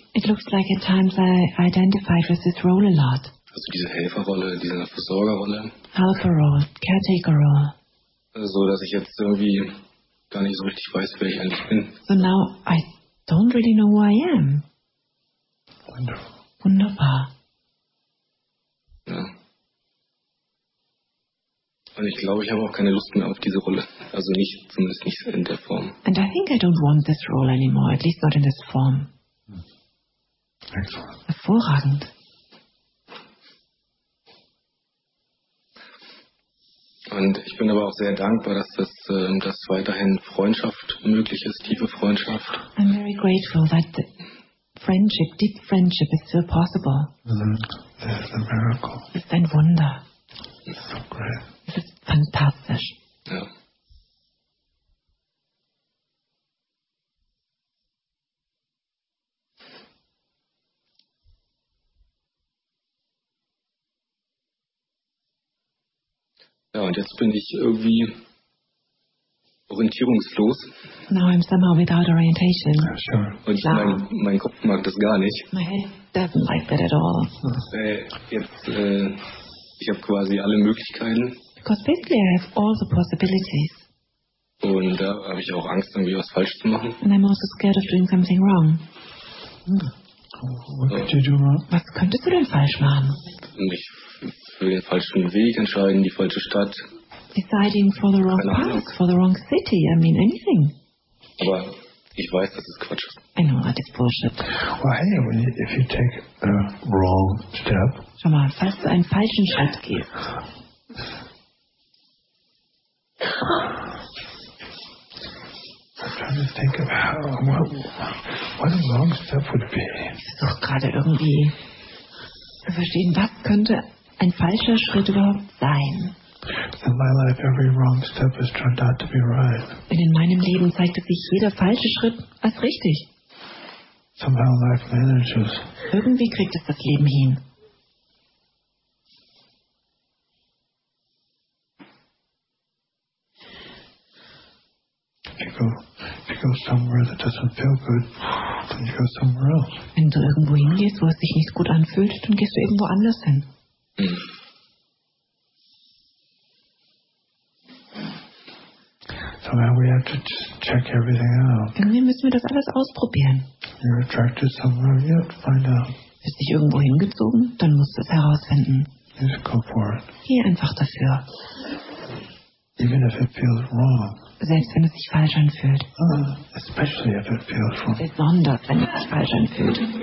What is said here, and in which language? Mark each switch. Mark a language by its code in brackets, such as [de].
[en] It looks like at times I identified with this role a lot. [de] Also diese Helferrolle, diese Versorgerrolle. [en] Helper role, caretaker role. [de] So, dass ich jetzt irgendwie gar nicht so richtig weiß, wer ich eigentlich bin. [en] So now I don't really know who I am. Wonderful. [de] Wunderbar. Ja. Und ich glaube, ich habe auch keine Lust mehr auf diese Rolle. Also nicht, zumindest nicht in der Form. [en] And I think I don't want this role anymore, at least not in this form. Excellent. [de] Hervorragend. Und ich bin aber auch sehr dankbar, dass das dass weiterhin Freundschaft möglich ist, tiefe Freundschaft. [en] I'm very grateful that the friendship, deep friendship is still possible. That's a miracle. [de] Ist ein Wunder. [en] It's so great. [de] Fantastisch. Ja. Ja, und jetzt bin ich irgendwie orientierungslos. [en] Now I'm somehow without orientation. [de] Ja, sure. Und ja. Mein Kopf mag das gar nicht. [en] My head doesn't like that at all. [de] Ich habe quasi alle Möglichkeiten. [en] Because basically I have all the possibilities. [de] Und da habe ich auch Angst, irgendwie was falsch zu machen. [en] And I'm also scared of doing something wrong. What could you do wrong? [de] Was könntest du denn falsch machen? Mich für den falschen Weg entscheiden, die falsche Stadt. [en] Deciding for the wrong path, for the wrong city, I mean anything. [de] Aber ich weiß, dass es Quatsch ist. [en] I know that it's bullshit. Well, hey, if you take a wrong step. [de] Schau mal, falls du einen falschen Schritt gehst. [en] I'm trying to think of how what a wrong step would be. [de] Doch gerade irgendwie zu verstehen, was könnte ein falscher Schritt überhaupt sein? [en] In my life, every wrong step has turned out to be right. [de] Denn in meinem Leben zeigte sich jeder falsche Schritt als richtig. [en] Somehow life manages. [de] Irgendwie kriegt es das Leben hin. [en] You go somewhere that doesn't feel good, then you go somewhere else. [de] Wenn du irgendwo hingehst, wo es sich nicht gut anfühlt, dann gehst du irgendwo anders hin. [en] So now we have to check everything out. [de] Irgendwie müssen wir das alles ausprobieren. [en] You're attracted somewhere, you have to find out. [de] Bist dich irgendwo hingezogen, dann musst du es herausfinden. [en] Just go for it. [de] Geh einfach dafür. [en] Even if it feels wrong. [de] Selbst wenn es sich falsch anfühlt. [en] Especially if it feels wrong. [de] Besonders wenn es sich falsch anfühlt.